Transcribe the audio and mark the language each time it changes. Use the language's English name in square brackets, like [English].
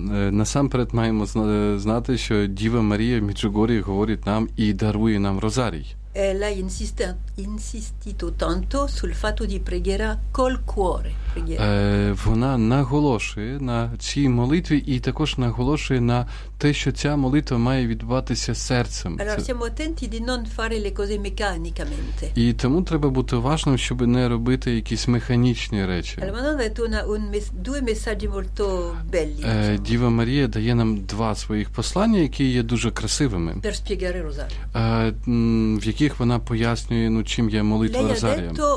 [Ukrainian] Насамперед маємо знати, що Діва Марія в Меджугорі говорить нам і дарує нам розарій. [Italian] Ella insistito tanto sul fatto di preghiera col cuore. [Ukrainian] Вона наголошує на цій молитві і також наголошує на те, що ця молитва має відбуватися серцем. [Italian] Allora, siamo attenti di non fare le cose meccanicamente. [Ukrainian] І тому треба бути уважним, щоб не робити якісь механічні речі. [Italian] Allora, Madonna ha detto due messaggi molto belli. [Ukrainian] Діва Марія дає нам два своїх послання, які є дуже красивими. [Italian] Per spiegare rosario. [Ukrainian] В яких вона пояснює, ну, чим є молитва розарія.